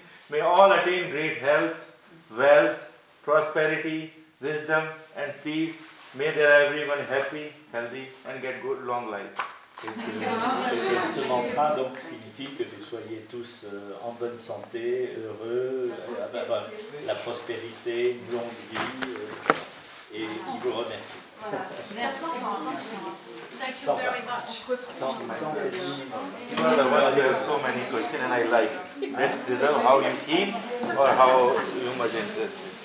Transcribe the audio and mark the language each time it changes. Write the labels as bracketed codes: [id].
[en] May all attain great health, wealth, prosperity, wisdom and peace. May their everyone happy, healthy and get good long life. [fr] Et ce mantra donc signifie que vous soyez tous en bonne santé, heureux, la prospérité, une longue vie et il vous remercie. [en] You are the one who has so many questions and I like that deserve how you keep or how you must interest.